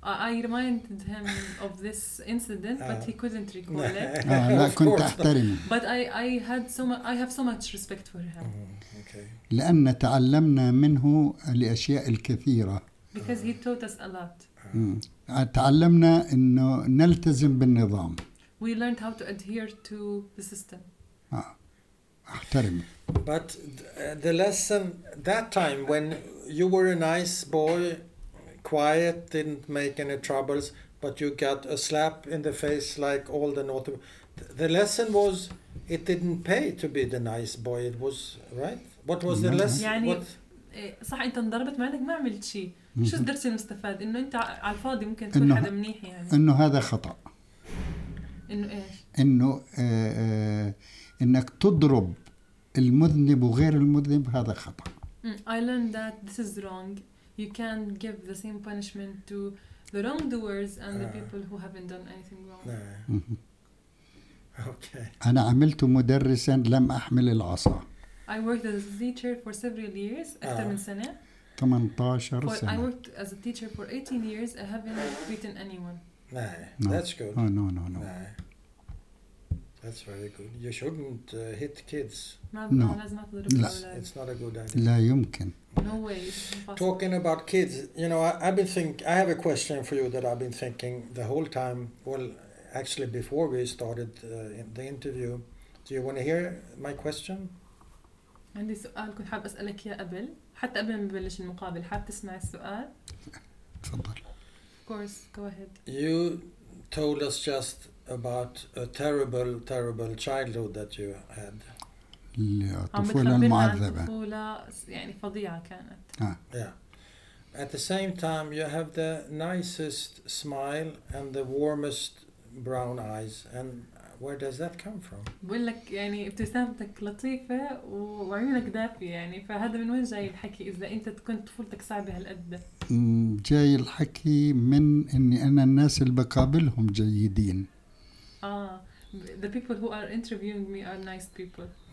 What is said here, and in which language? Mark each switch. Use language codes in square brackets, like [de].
[en] I reminded him of this incident, but he couldn't recall it. But I had so much. I have so much respect for him. [ar] لأن تعلمنا منه لأشياء الكثيرة. [en] Because he taught us a lot. [ar] تعلمنا إنه نلتزم بالنظام. [en] We learned how to adhere to the system. [ar] أحترمه. [en] But the lesson that time when you were a nice boy. Quiet, didn't make any troubles, but you got a slap in the face like all the naughty. The lesson was, it didn't pay to be the nice boy. It was right. What was the lesson? [ar] يعني صح أنت انضربت معلك ما عملت شيء. شو الدرس المستفاد؟ إنه أنت على الفاضي ممكن تكون حدا منيح يعني. إنه هذا خطأ. إنه إيش؟ إنه إنك تضرب المذنب وغير المذنب هذا خطأ. [en] I learned that this is wrong. You can't give the same punishment to the wrongdoers and the people who haven't done anything wrong. Okay. [ar] انا عملت مدرسا لم احمل العصا. [en] I worked as a teacher for several years. [ar] اكثر من سنه. 18 سنه. [en] I worked as a teacher for 18 years. I haven't beaten anyone. No. That's good. Oh, no. That's That's very good. You shouldn't hit kids. No. It's not a good idea. [ar] لا يمكن. [en] No way. Impossible. Talking about kids, you know, I have a question for you that I've been thinking the whole time. Well, actually, before we started in the interview, do you want to hear my question? [ar] عندي سؤال كنت حاب أسألك يا قبل حتى قبل ما نبلش المقابل حاب تسمع السؤال؟ تفضل. [en] Of course, go ahead. You told us just about a terrible, terrible childhood that you had. [ar] طفولة معذبة. طفولة يعني فظيعة كانت. [en] Yeah. At the same time, you have the nicest smile and the warmest brown eyes. And where does that come from? [ar] بقول لك يعني ابتسامتك لطيفة وعيونك دافية يعني فهذا من وين جاي الحكي إذا أنت كنت طفولتك صعبة هالقد؟ جاي الحكي من إني أنا الناس اللي بقابلهم جيدين. [en] The people who are interviewing me are nice people.